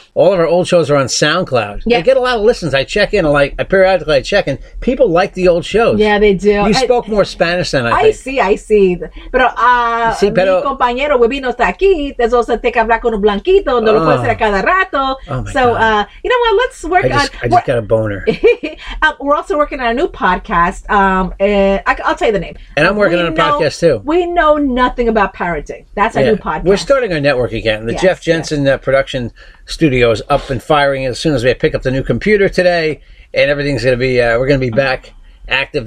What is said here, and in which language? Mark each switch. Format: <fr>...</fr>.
<en>All of our old shows are on SoundCloud. Yeah. I get a lot of listens. I check in. I periodically check in. People like the old shows. Yeah, they do. You spoke more Spanish than I think. I see.</en> <es>Pero mi compañero Webino está aquí. Eso se te habla con un blanquito. No lo puedo hacer a cada rato.</es> <en>Oh, so, you know what? Let's work on... I just got a boner. We're also working on a new podcast. I'll tell you the name. And I'm working on a podcast, too. We know nothing about parenting. That's our new podcast. We're starting our network again. The Jeff Jensen production studio is up and firing as soon as we pick up the new computer today, and everything's going to be, we're going to be back active.</en>